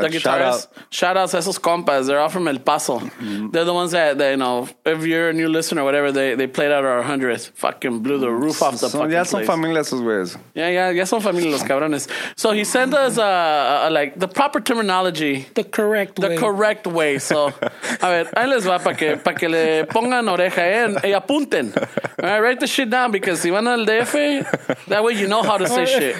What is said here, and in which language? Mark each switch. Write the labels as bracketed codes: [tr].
[en] The guitarist. Shout out to [es] esos compas. [en] They're all from El Paso. Mm-hmm. They're the ones that, you know, if you're a new listener or whatever, they played out our 100th. Fucking blew the roof off the fucking place. [es] Ya son familia esos güeyes. Ya son familia los cabrones. [en] So he sent us like the proper terminology. The correct way. The correct way. [es] So, a ver, ahí les va para que le pongan oreja y apunten. [en] All right, write the shit down because [es] si van al DF, [en] that way you know how to say shit.